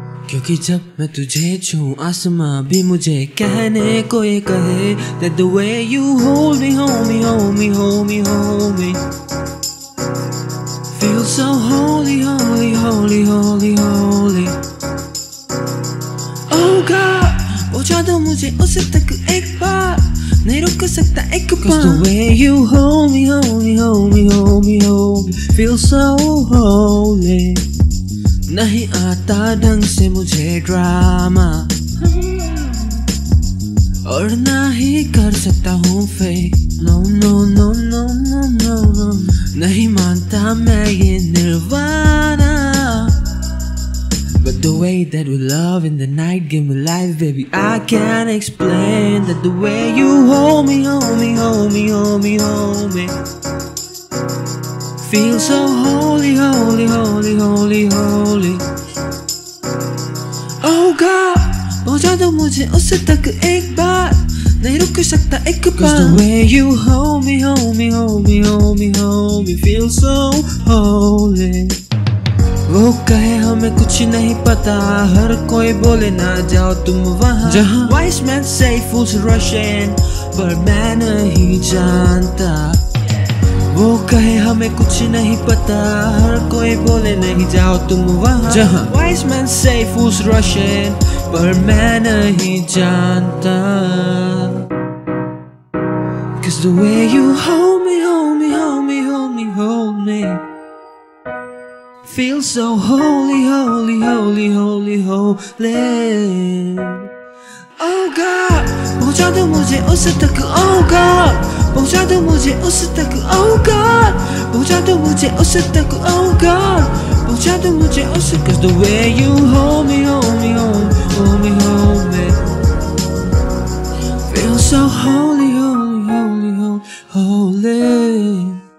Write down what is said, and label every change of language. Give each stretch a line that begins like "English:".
Hindi: क्योंकि जब मैं तुझे छू आसमां भी मुझे कहने को ये कहे
English: that the way you hold me, hold me, hold me, hold me, hold me, feel so holy, holy, holy, holy, holy. Oh God,
Hindi: पहुंचा दो मुझे उस तक एक बार, नहीं रुक सकता एक पल.
English: The way you hold me, hold me, hold me, hold me, hold me, feel so holy.
Hindi: नहीं आता ढंग से मुझे ड्रामा, और ना ही कर सकता हूँ fake.
English: no no no no no no no,
Hindi: नहीं मानता मैं ये nirvana.
English: But the way that we love in the night give me life, baby, I can't explain that the way you hold me, hold me, hold me, hold me, hold me, feel so holy, holy, holy, holy, holy. Oh God,
Hindi: पहुंचा दो मुझे उस तक एक बार, नहीं रुक सकता एक पल.
English: The way you hold me, hold me, hold me, hold me, hold me, feel so holy.
Hindi: वो कहे हमें कुछ नहीं पता, हर कोई बोले ना जाओ तुम वहाँ, जहाँ
English: wise men say fools rush in,
Hindi: पर मैं नहीं जानता. वो कहे हमें कुछ नहीं पता, हर कोई बोले नहीं जाओ तुम वहाँ, जहाँ
English: wise men say fools rush in,
Hindi: पर मैं नहीं जानता.
English: Cause the way you hold me, hold me, hold me, hold me, hold me, feel so holy, holy, holy, holy, holy. Oh God,
Hindi: पहुंचा दो मुझे उस तक.
English: Oh God,
Hindi: पहुंचा दो मुझे उस तक.
English: Oh God,
Hindi: पहुंचा दो मुझे उस तक.
English: Oh God,
Hindi: पहुंचा दो मुझे उस तक.
English: Cause the way you hold me, hold me, hold me, hold me, hold me, feel so holy, holy, holy, holy, holy.